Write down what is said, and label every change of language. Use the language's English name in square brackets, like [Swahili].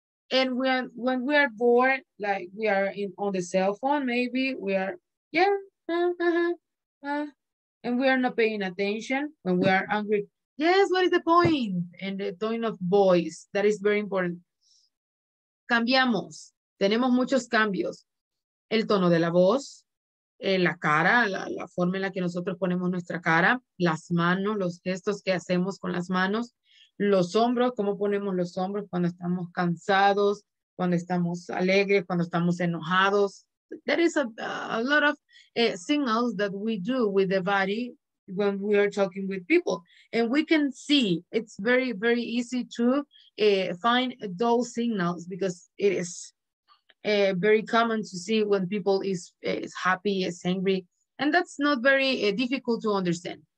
[English] And when we are bored, like we are on the cell phone, maybe we are, and we are not paying attention. When we are angry, yes, what is the point? And the tone of voice, that is very important. [Spanish] Cambiamos, tenemos muchos cambios. El tono de la voz, la cara, la forma en la que nosotros ponemos nuestra cara, las manos, los gestos que hacemos con las manos, los hombros, cómo ponemos los hombros cuando estamos cansados, cuando estamos alegres, cuando estamos enojados. [English] There is a lot of signals that we do with the body when we are talking with people. And we can see, it's very, very easy to find those signals because it is very common to see when people is happy, is angry, and that's not very difficult to understand.